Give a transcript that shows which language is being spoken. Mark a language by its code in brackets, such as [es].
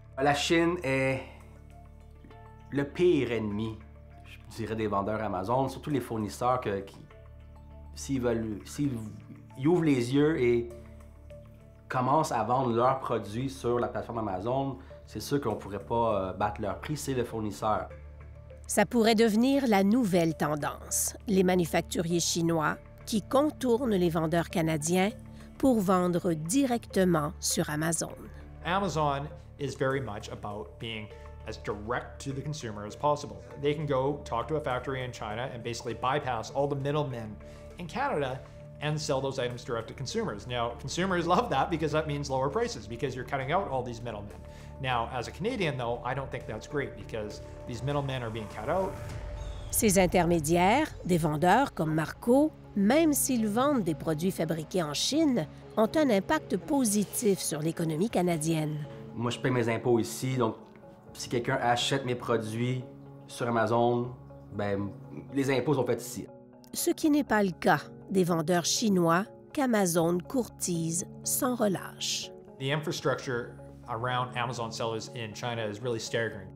[fr] La Chine est le pire ennemi, je dirais, des vendeurs Amazon, surtout les fournisseurs qui s'ils ouvrent les yeux et commencent à vendre leurs produits sur la plateforme Amazon, c'est sûr qu'on ne pourrait pas battre leur prix, c'est le fournisseur. Ça pourrait devenir la nouvelle tendance. Les manufacturiers chinois qui contournent les vendeurs canadiens pour vendre directement sur Amazon. [en] Amazon is very much about being as direct to the consumer as possible. They can go talk to a factory in China and basically bypass all the middlemen in Canada and sell those items direct to consumers. Now, consumers love that because that means lower prices because you're cutting out all these middlemen. Now, as a Canadian though, I don't think that's great because these middlemen are being cut out. [fr] Ces intermédiaires, des vendeurs comme Marco, même s'ils vendent des produits fabriqués en Chine, ont un impact positif sur l'économie canadienne. Moi, je paye mes impôts ici, donc si quelqu'un achète mes produits sur Amazon, ben les impôts sont faits ici. Ce qui n'est pas le cas des vendeurs chinois qu'Amazon courtise sans relâche. [en] The infrastructure around Amazon sellers in China is really staggering.